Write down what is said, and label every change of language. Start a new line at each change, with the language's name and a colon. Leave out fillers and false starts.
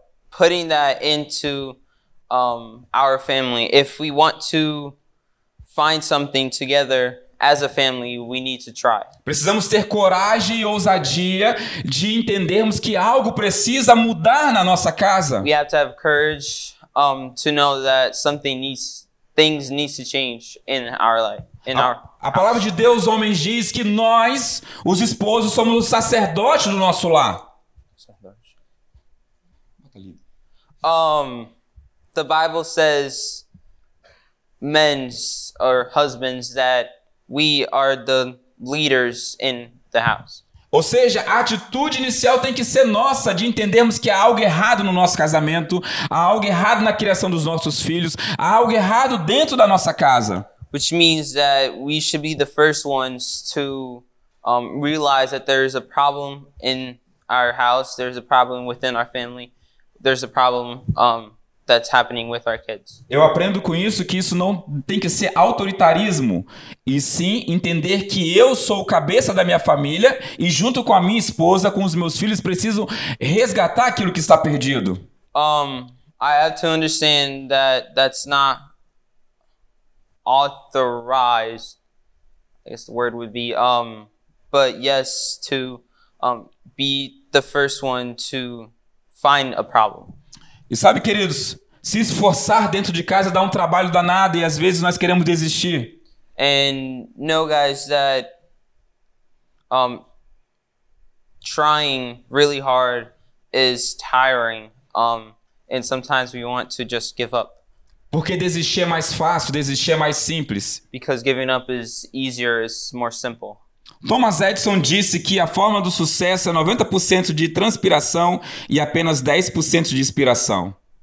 English: Putting that into our family, if we want to find something together as a family, we need to try.
Portuguese: Precisamos ter coragem e ousadia de entendermos que algo precisa mudar na nossa casa.
English: We have to have courage to know that things need to change in our life.
Portuguese: A palavra de Deus, homens, diz que nós, os esposos, somos o sacerdote do nosso lar.
English: The Bible says men's or husbands that we are the leaders in the house.
Portuguese: Ou seja, a atitude inicial tem que ser nossa, de entendermos que há algo errado no nosso casamento, há algo errado na criação dos nossos filhos, há algo errado dentro da nossa casa.
English: Which means that we should be the first ones to realize that there is a problem in our house, there's a problem within our family, there's a problem that's happening with our kids.
Portuguese: Eu aprendo com isso que isso não tem que ser autoritarismo, e sim entender que eu sou o cabeça da minha família e junto com a minha esposa, com os meus filhos, preciso resgatar aquilo que está perdido.
English: I have to understand that's not authorized, I guess the word would be, but yes, to be the first one to find a problem.
Portuguese: E sabe, queridos, se esforçar dentro de casa dá um trabalho danado e às vezes nós queremos desistir.
English: And know, guys, that trying really hard is tiring, and sometimes we want to just give up.
Portuguese: Porque desistir é mais fácil, desistir é mais simples.
English: Because giving up is easier, is more simple.
Portuguese: Thomas Edison disse que a forma do sucesso é 90% de transpiração e apenas 10% de inspiração.